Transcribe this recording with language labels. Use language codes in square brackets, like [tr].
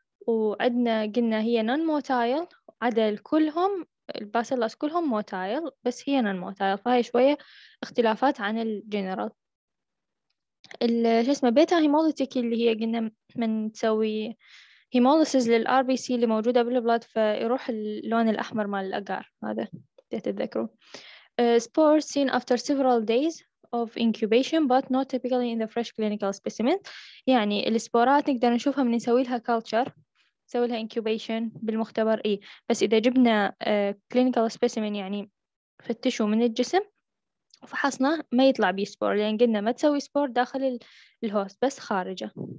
[ar] وعندنا قلنا هي نون موتايل، عدا كلهم الباسيلس كلهم موتايل بس هي نون موتايل، فهي شويه اختلافات عن الجنرال. الشي اسمه بيتا هيمولوتيك اللي هي قلنا من تسوي هيموليسيز للار بي سي اللي موجودة بالبلاد، فيروح اللون الأحمر مال الأجار هذا تتذكروا. [en] Spores seen after several days of incubation but not typically in the fresh clinical specimen. [ar] يعني السبورات نقدر نشوفها من نسوي لها culture، نسوي لها incubation بالمختبر إيه، بس إذا جبنا clinical specimen يعني فتشوا من الجسم فحصنا ما يطلع بي سبور، لان يعني قلنا ما تسوي سبور داخل الهوست بس خارجه.